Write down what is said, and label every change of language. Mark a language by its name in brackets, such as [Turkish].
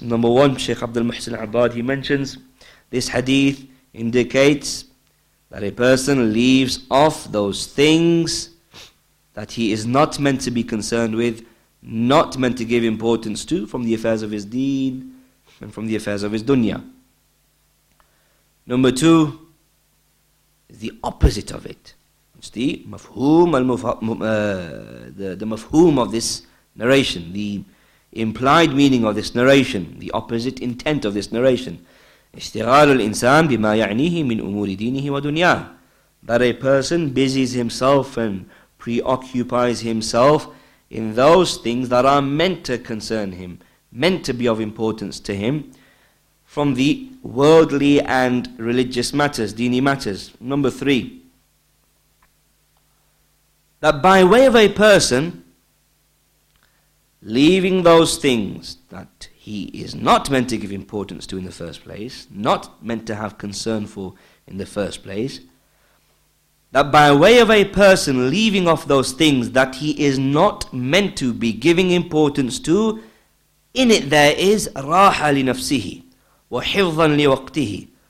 [English] Number one, Shaykh Abdul Muhsin Abad, he mentions this hadith indicates that a person leaves off those things that he is not meant to be concerned with, not meant to give importance to from the affairs of his deen and from the affairs of his dunya. Number two, the opposite of it. It's the mafhum of this narration, the implied meaning of this narration, the opposite intent of this narration. [Arabic] اشتغال الإنسان بما يعنيه من أمور دينه ودنياه. [English] That a person busies himself and preoccupies himself in those things that are meant to concern him, meant to be of importance to him, from the worldly and religious matters, dini matters. Number three, that by way of a person leaving those things that he is not meant to give importance to in the first place, not meant to have concern for in the first place, that by way of a person leaving off those things that he is not meant to be giving importance to, in it there is raha li nafsihi. [Arabic] وحفظا لوقته